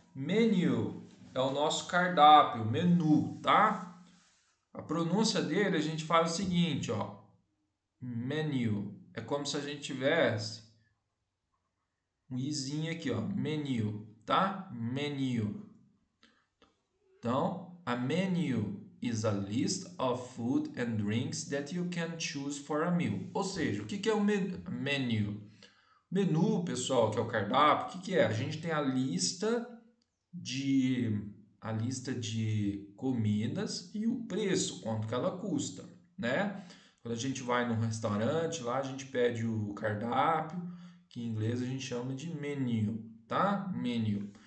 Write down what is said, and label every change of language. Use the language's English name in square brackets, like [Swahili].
[Portuguese] Menu é o nosso cardápio, menu, tá? A pronúncia dele a gente faz o seguinte, ó, menu, é como se a gente tivesse um izinho aqui, ó, menu, tá? Menu. Então, [English] a menu is a list of food and drinks that you can choose for a meal. [Portuguese] Ou seja, o que é o menu? Menu, pessoal, que é o cardápio, o que é? A gente tem a lista de comidas e o preço, quanto que ela custa, né? Quando a gente vai num restaurante, lá a gente pede o cardápio, que em inglês a gente chama de menu, tá? Menu.